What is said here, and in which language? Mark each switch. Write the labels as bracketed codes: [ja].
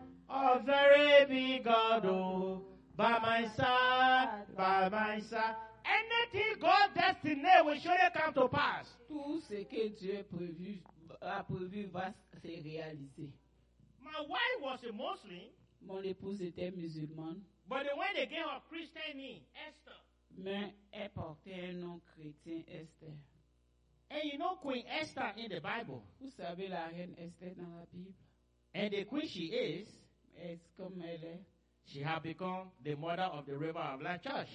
[en] A very big God who by my side, by my side. Anything God destined will surely come to pass. [fr] Tout ce que Dieu a prévu va se réaliser. [en] My wife was a Muslim. [fr] Mon épouse était musulmane. [en] But when they gave her Christian name, Esther. [fr] Mais elle portait un nom chrétien, Esther. [en] And you know Queen Esther in the Bible. [fr] Vous savez la reine Esther dans la Bible. [en] And the queen she is. [fr] Est-ce comme elle est? [en] She has become the mother of the River of Life Church.